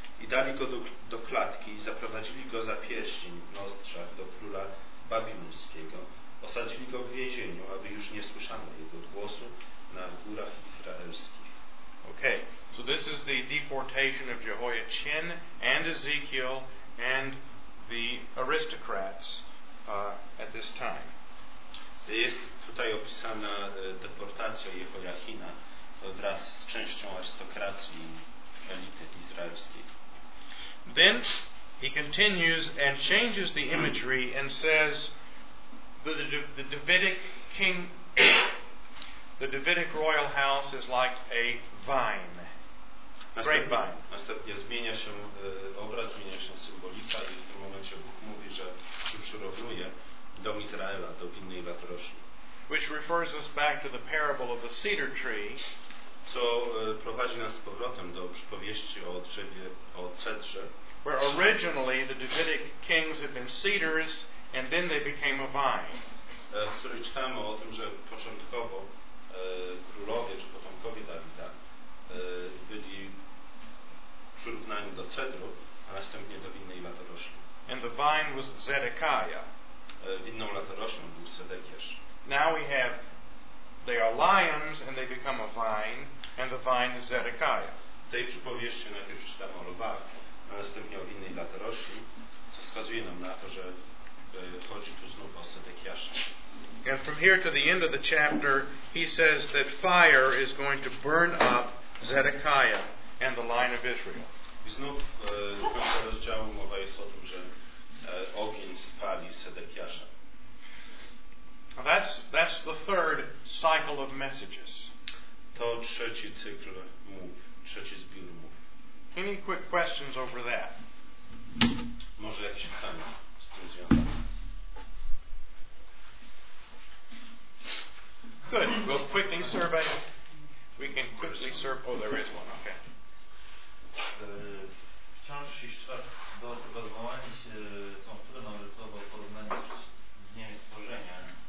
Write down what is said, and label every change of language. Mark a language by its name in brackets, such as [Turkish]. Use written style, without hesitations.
[Polish] I dali go do klatki i zaprowadzili go za pierścień w nozdrzach do króla babilońskiego. Osadzili go w więzieniu, aby już nie słyszano jego głosu na górach izraelskich. [English] Okay, so this is the deportation of Jehoiachin and Ezekiel and the aristocrats at this time. [Polish] Jest tutaj opisana deportacja Jehoiachina wraz z częścią arystokracji i elity izraelskiej. [English] Then he continues and changes the imagery and says, the Davidic king, the Davidic royal house is like a vine, grapevine. [Polish] Następnie zmienia się obraz, zmienia się symbolika i w tym momencie Bóg mówi, że przyrównuje dom Izraela do winnej latorośli. [English] Which refers us back to the parable of the cedar tree. [Polish] Co prowadzi nas z powrotem do przypowieści o drzewie, o cedrze. [English] Where originally the Davidic kings had been cedars, and then they became a vine. [Polish] Który czytamy o tym, że początkowo królowie czy potomkowie Dawida byli przyrównaniu do cedru, a następnie do winnej latorośli. [English] And the vine was Zedekiah. [Polish] Winną latorośnią był Sedekiasz. [English] Now we have, they are lions and they become a vine, and the vine is Zedekiah. [Polish] W tej przypowieści najpierw czytamy o lwach, a następnie o winnej latorośli, co wskazuje nam na to, że chodzi tu znów o Sedekiasza. [English] And from here to the end of the chapter, he says that fire is going to burn up Zedekiah and the line of Israel. [Polish] I znów do końca rozdziału mowa jest o tym, że ogień spali Sedekiasza. [English] That's the third cycle of messages. [Polish] To trzeci cykl mów, trzeci zbiór mów. [English] Any quick questions over that? [Polish] Może jakieś pytania z tym związane? [English] Good. We'll quickly survey. We can quickly survey. Oh, there is one. Okay. [Polish] Wciąż się do tego odwołania się są trudno rysowo porównać z dniem stworzenia.